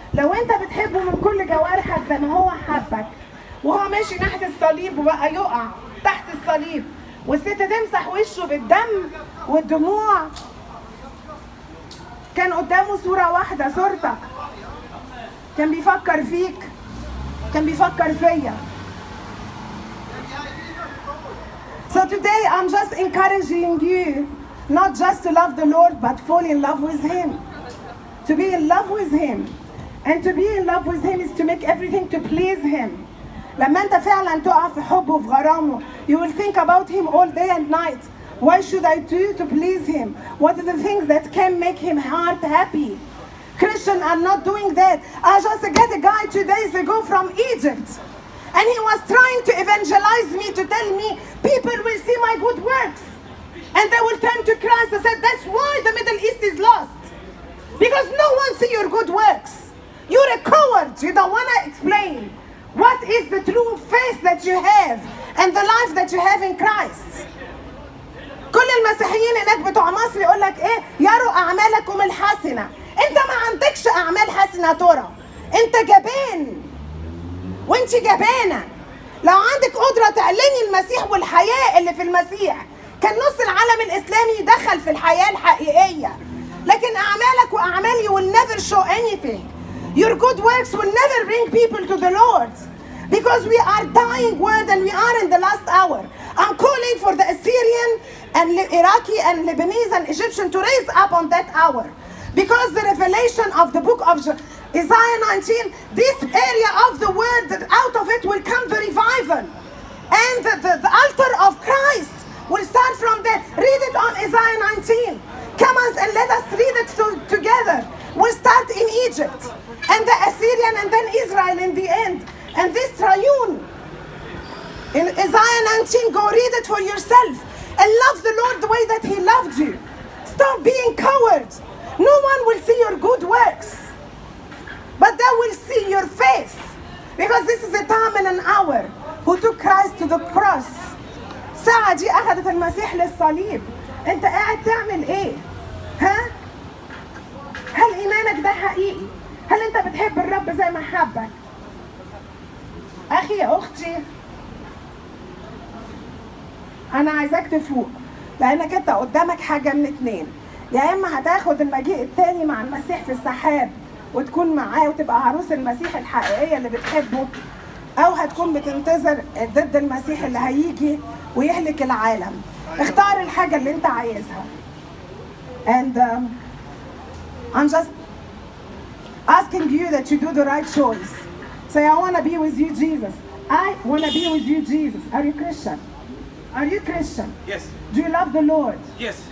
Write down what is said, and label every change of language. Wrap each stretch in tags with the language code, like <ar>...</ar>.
<ar>لو انت بتحبه من كل جوارحك زي ما هو حبك وهو ماشي ناحيه الصليب وبقى يقع تحت الصليب والست تمسح وشه بالدم والدموع، كان قدامه صورة واحدة، صورتك، كان بيفكر فيك، كان بيفكر فيا.</ar> <en>So today I'm just encouraging you not just to love the Lord but fall in love with him. To be in love with him. And to be in love with him is to make everything to please him.</en> <ar>لما انت فعلا تقع في حبه وفي غرامه،</ar> <en>you will think about him all day and night. Why should I do to please him? What are the things that can make him heart happy? Christian, I'm not doing that. I just get a guy 2 days ago from Egypt. And he was trying to evangelize me, to tell me, people will see my good works. And they will turn to Christ. I said, that's why the Middle East is lost. Because no one sees your good works. You're a coward. You don't want to explain. What is the true faith that you have and the life that you have in Christ?</en> <ar>كل المسيحيين هناك بتوع مصر يقول لك ايه؟ يروا اعمالكم الحسنة. انت ما عندكش اعمال حسنة ترى. انت جبان. وانت جبانة. لو عندك قدرة تعلني المسيح والحياة اللي في المسيح، كان نص العالم الاسلامي دخل في الحياة الحقيقية. لكن اعمالك واعمالي</ar> <en>will never show anything. Your good works will never bring people to the Lord. Because we are dying world and we are in the last hour. I'm calling for the Assyrian and Iraqi and Lebanese and Egyptian to raise up on that hour. Because the revelation of the book of Isaiah 19, this area of the world, out of it will come the revival. And the altar of Christ will start from there. Read it on Isaiah 19. Come on and let us read it together. We'll start in Egypt and the Assyrian and then Israel in the end. And this triune in Isaiah 19, go read it for yourself. And love the Lord the way that he loved you. Stop being cowards. No one will see your good works. But they will see your faith. Because this is a time and an hour who took Christ to the cross.</en> <ar>ساعة دي أخذت المسيح للصليب. أنت قاعد تعمل إيه؟ ها؟ هل إيمانك ده حقيقي؟ هل أنت بتحب الرب زي ما حبك؟ أخي يا أختي، أنا عايزك تفوق، لأنك أنت قدامك حاجة من اتنين. يا إما هتاخد المجيء التاني مع المسيح في السحاب وتكون معاه وتبقى عروس المسيح الحقيقية اللي بتحبه، أو هتكون بتنتظر ضد المسيح اللي هيجي ويهلك العالم. اختار الحاجة اللي أنت عايزها.</ar> <en>And I'm just asking you that you do the right choice. Say, I want to be with you, Jesus. I want to be with you, Jesus. Are you Christian? Are you Christian? Yes. Do you love the Lord? Yes.</en>